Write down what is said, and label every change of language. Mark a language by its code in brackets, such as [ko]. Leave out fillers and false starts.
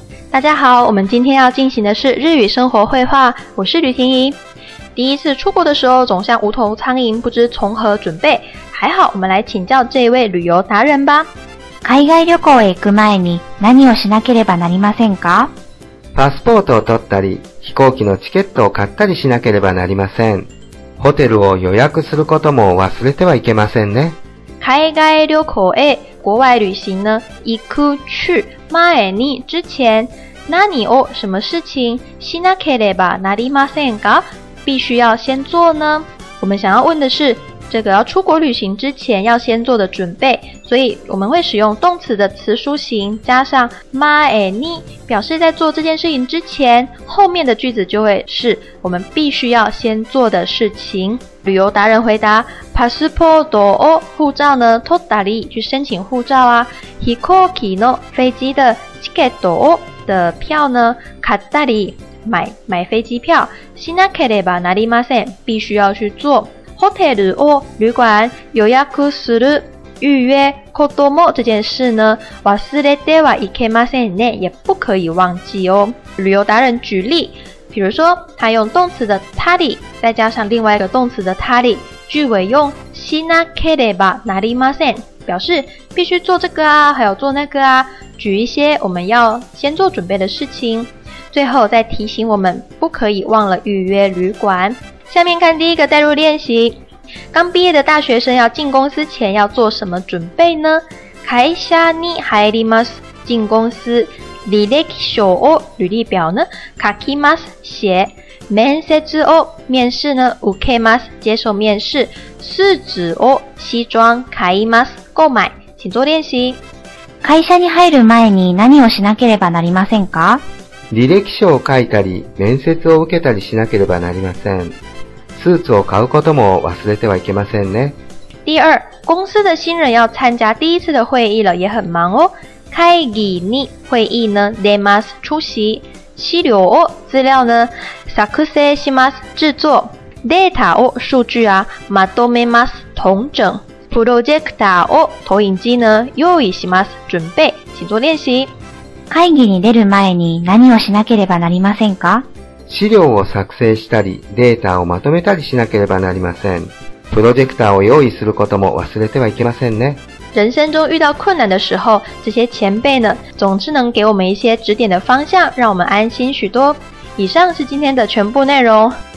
[zh] 大家好，我们今天要进行的是日语生活绘画，我是吕婷宜。第一次出国的时候，总像无头苍蝇，不知从何准备。还好，我们来请教这一位旅游达人吧。 [ja] 海外旅行へ行く前に何をしなければなりませんか？パスポートを取ったり、飛行機のチケットを買ったりしなければなりません。ホテルを予約することも忘れてはいけませんね。海外旅行へ、 [zh] 国外旅行呢、 [ja] 行く、 [zh] 去、 [ja] 前に、 [zh] 之前、 [ja] 何を、 [zh] 什么事情、 [ja] しなければなりませんか？ [zh] 必须要先做呢？我们想要问的是，这个要出国旅行之前要先做的准备，所以我们会使用动词的词书形加上 maeni， 表示在做这件事情之前，后面的句子就会是我们必须要先做的事情。旅游达人回答 passporto 哦，护照呢 [ja] totari [zh] 去申请护照啊 ， [ja] hikoki no [zh] 飞机的 chiketto 的票呢 [ja] katari [zh] 买飞机票 ， [ja] shinakereba narimasen [zh] 必须要去做。 [ja] ホテルを旅館予約する [zh] 预约 [ja] こと も [zh] 这件事呢 [ja] 忘れてはいけませんね， [zh] 也不可以忘记哦。旅游达人举例，比如说他用动词的たり再加上另外一个动词的たり，句尾用しなければなりません，表示必须做这个啊，还有做那个啊，举一些我们要先做准备的事情，最后再提醒我们不可以忘了预约旅馆。下面看第一个代入练习，刚毕业的大学生要进公司前要做什么准备呢？ [ja] 会社に入ります。 [zh] 进公司、 [ja] 履歴書を、 [zh] 履歴表呢、 [ja] 書きます、 [zh] 写。 [ja] 面接を、 [zh] 面试呢、 [ja] 受けます、 [zh] 接受面试。 [ja] スーツを、 [zh] 西装、 [ja] 買います、 [zh] 购买。请做练习。 [ja] 会社に入る前に何をしなければなりませんか？履歴書を書いたり、面接を受けたりしなければなりません。スーツを買うことも忘れてはいけませんね。 [zh] 第二、公司的新人要参加第一次的会议了，也很忙哦。 [ja] 会議に、会議呢、出ます、 [zh] 出席。 [ja] 資料を、資料呢、作成します、 [zh] 制作。 [ja] データを、 [zh] 数据啊、 [ja] まとめます、 [zh] 統整。 [ja] プロジェクターを、 [zh] 投影機呢、 [ja] 用意します、 [zh] 準備。请做練習。 [ja] 会議に出る前に何をしなければなりませんか？資料を作成したり、データをまとめたりしなければなりません。プロジェクターを用意することも忘れてはいけませんね。 [zh] 人生中遇到困难的时候，这些前辈呢，总是能给我们一些指点的方向，让我们安心许多。以上是今天的全部内容。